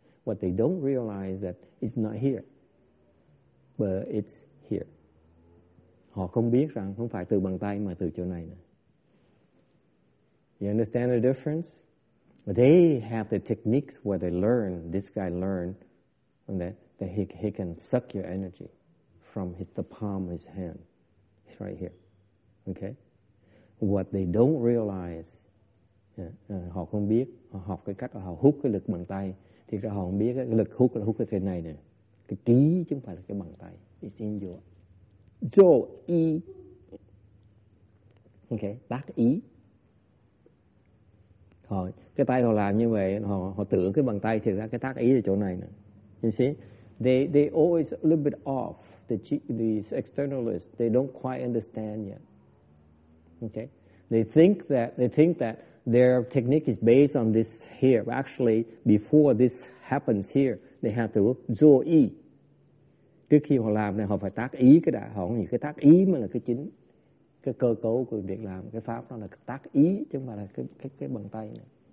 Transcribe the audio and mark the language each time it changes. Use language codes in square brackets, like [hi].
[en] But they don't realize that it's not here, but it's here. [vi] Họ không biết rằng không phải từ bàn tay mà từ chỗ này nè. [en] You understand the difference? But they have the techniques where they learn, this guy learned, and that he can suck your energy from the palm of his hand. It's right here. Okay? What they don't realize, [vi] họ không biết, họ học cái cách họ hút cái lực bằng tay. Thì ra họ không biết cái lực hút là hút cái thế này nè. Cái trí chứ không phải là cái bằng tay. [en] It's in your zhō yī. [vi] Okay, tác ý. Họ, cái tay họ làm như vậy, họ tưởng cái bằng tay thì ra cái tác ý ở chỗ này nè. [en] You see, they always a little bit off, the externalists, they don't quite understand yet. Okay, they think that their technique is based on this here. Actually, before this happens here, they have to do ý. [vi] Trước khi họ làm này, họ phải tác ý cái đã. Họ nghĩ cái tác ý mới là cái chính. Cái cơ cấu của việc làm, cái pháp đó là cái tác ý, chứ không phải là cái bằng tay này.